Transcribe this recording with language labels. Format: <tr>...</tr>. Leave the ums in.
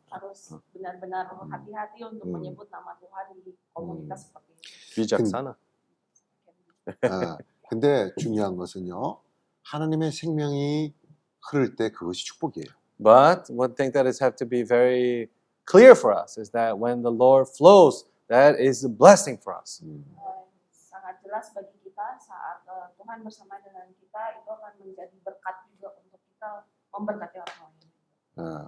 <id>Harus benar-benar hati-hati untuk menyebut nama Tuhan di komunitas hmm. seperti ini. Bijaksana.</id> <ko>uh, 근데 중요한 것은요, 하나님의 생명이 흐를 때 그것이 축복이에요.</ko> <en>But one thing that has to be very clear for us is that when the Lord flows, that is a blessing for us. 음.</en> <ko>아, 좋습니다.</ko> <id>saat Tuhan bersama dengan kita itu akan menjadi berkat juga untuk kita memberkati a n</id>